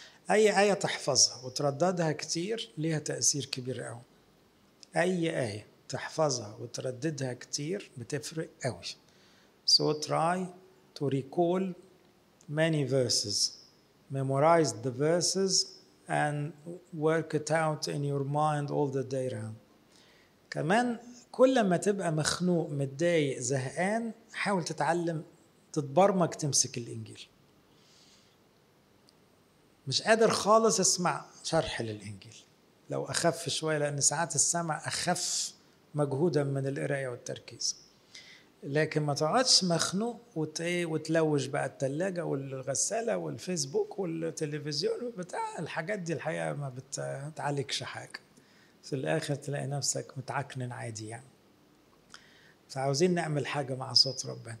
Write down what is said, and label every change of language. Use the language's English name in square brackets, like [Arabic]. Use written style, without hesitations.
[Arabic] اي آية تحفظها وترددها كتير ليها تأثير كبير قوي، اي آية تحفظها وترددها كتير بتفرق قوي. [English] So try to recall many verses, memorize the verses and work it out in your mind all the day round. [Arabic] كمان كل ما تبقى مخنوق متضايق زهقان حاول تتعلم تتبرمج تمسك الانجيل. مش قادر خالص اسمع شرح للانجيل، لو اخف شويه، لان ساعات السمع اخف مجهودا من القرايه والتركيز، لكن ما تقعدش مخنوق وتلوش بقى الثلاجه والغساله والفيسبوك والتلفزيون بتاع الحاجات دي، الحقيقه ما بتعالجش حاجه، في الاخر تلاقي نفسك متعكنن عادي يعني. فعاوزين نعمل حاجه مع صوت ربنا.